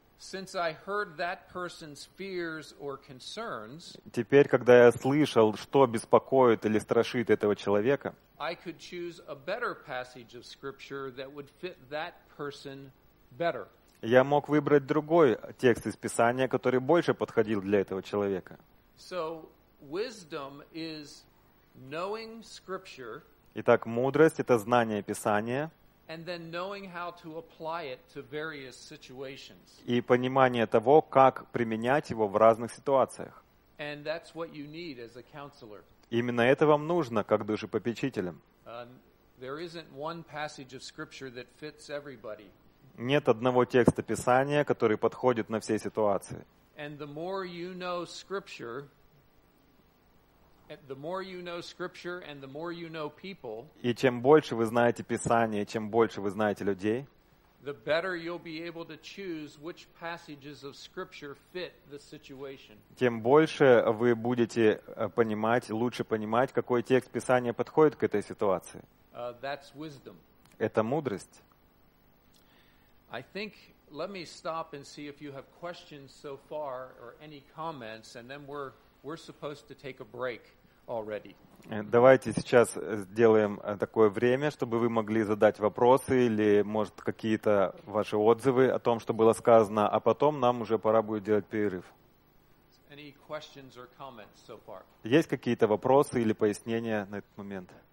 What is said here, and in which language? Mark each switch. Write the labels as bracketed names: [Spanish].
[English] since I heard that person's fears or concerns, [Russian] теперь, когда я слышал, что беспокоит или страшит этого человека, [English] I could choose a better passage of scripture that would fit that person better. [Russian] Я мог выбрать другой текст из Писания, который больше подходил для этого человека. [English] So, wisdom is knowing scripture. [Russian] Итак, мудрость — это знание Писания. [English] And then knowing how to apply it to various situations. [Russian] И понимание того, как применять его в разных ситуациях. [English] And that's what you need as a counselor. [Russian] Именно это вам нужно, как душепопечителям. [English] There isn't one passage of scripture that fits everybody. [Russian] Нет одного текста Писания, который подходит на все ситуации. [English] And the more you know scripture, The more you know scripture and the more you know people, [Russian] и чем больше вы знаете Писание, чем больше вы знаете людей, [English] the better you'll be able to choose which passages of scripture fit the situation. [Russian] Тем больше вы будете понимать, лучше понимать, какой текст Писания подходит к этой ситуации. [English] That's wisdom. [Russian] Это мудрость. [English] I think let me stop and see if you have questions so far or any comments, and then we're supposed to take a break already. [Russian] Давайте сейчас сделаем такое время, чтобы вы могли задать вопросы или, может, какие-то ваши отзывы о том, что было сказано, а потом нам уже пора будет делать перерыв. [English] Any questions or comments so far? [Russian] Есть какие-то вопросы или пояснения на этот момент?